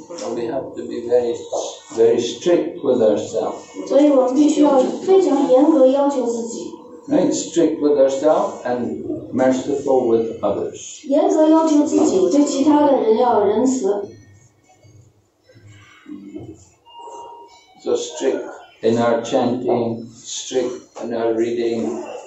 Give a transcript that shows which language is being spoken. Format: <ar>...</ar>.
<en>We have to be very strict with ourselves.</en> <zh>所以我们必须要非常严格要求自己。</zh> <en>Right, strict with ourselves and merciful with others.</en> <zh>严格要求自己，对其他的人要仁慈。</zh> <en>So strict in our chanting, strict in our reading.</en>